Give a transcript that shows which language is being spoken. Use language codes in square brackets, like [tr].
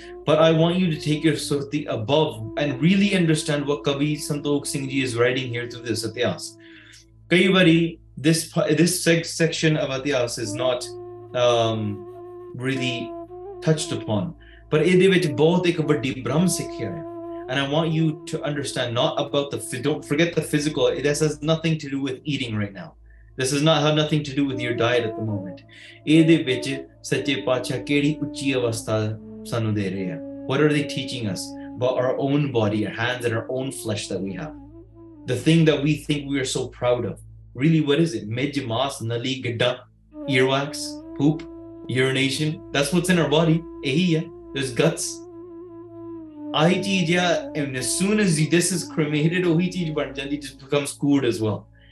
[en] But I want you to take your ਸੁਰਤੀ above and really understand what ਕਵੀ Santokh Singh ji is writing here through this ਇਤਿਹਾਸ। [pa] ਕਈ ਵਾਰੀ [en] this section of ਇਤਿਹਾਸ is not really touched upon, [pa] ਪਰ ਇਹਦੇ ਵਿੱਚ ਬਹੁਤ ਇੱਕ ਵੱਡੀ ਬ੍ਰਹਮ ਸਿੱਖਿਆ ਹੈ। [en] And I want you to understand, not about the, don't forget the physical, this has nothing to do with eating right now. This has not had nothing to do with your diet at the moment. [pa] ਇਹਦੇ ਵਿੱਚ ਸੱਚੇ ਪਾਤਸ਼ਾਹ ਕਿਹੜੀ ਉੱਚੀ ਅਵਸਥਾ ਸਾਨੂੰ ਦੇ ਰਹੇ ਆ? [en] What are they teaching us? our own body, our hands and our own flesh that we have. The thing that we think we are so proud of. Really, what is it? Midjamas, nali, gadda, earwax, poop, urination. That's what's in our body. There's guts. And as soon as this is cremated, it just becomes cooled as well.